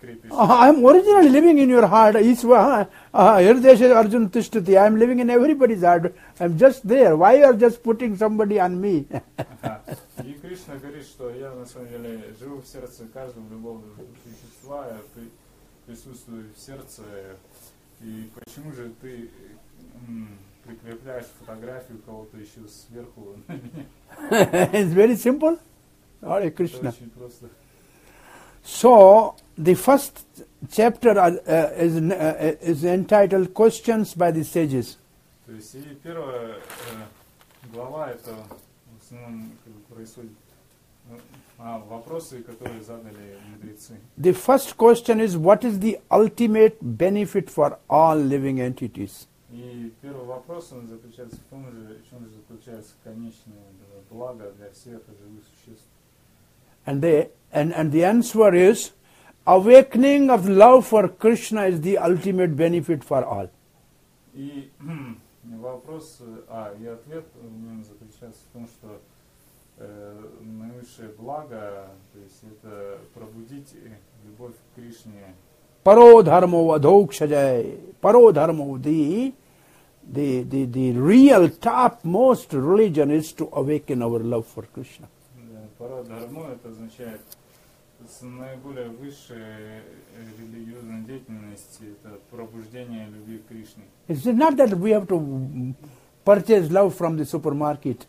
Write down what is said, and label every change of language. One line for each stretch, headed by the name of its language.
English: I am originally living in your heart.
Sanskrit: Hirdesha Arjuna Tishtati.
English: I am living in everybody's heart. I am just there. Why you are just putting somebody on me?
Russian: И Кришна говорит, что я на самом деле живу в сердце каждого любого существа, я присутствую в сердце. И почему же ты прикрепляешь фотографию кого-то еще сверху на меня?
English: It's very simple. Hare Krishna.
Russian: Очень просто.
English: So, the first chapter is entitled Questions by the Sages.
Russian: То есть, и первая глава, это в основном происходит, вопросы, которые задали мудрецы.
English: The first question is, what is the ultimate benefit for all living entities?
Russian: И первый вопрос, он заключается в том же, в чем же заключается конечное благо для всех живых существ.
English: And the answer is, awakening of love for Krishna is the ultimate benefit for all.
Russian: И вопрос, и ответ в нем заключается в том, что наивысшее благо, то есть это пробудить любовь к Кришне.
Sanskrit: Паро дхармо вадхокшаджай. Паро дхармо,
English: the real topmost religion is to awaken our love for Krishna.
Sanskrit: Паро дхармо,
Russian: это означает с наиболее высшей религиозной деятельности это пробуждение любви к Кришне.
English: It's not that we have to purchase love from the supermarket.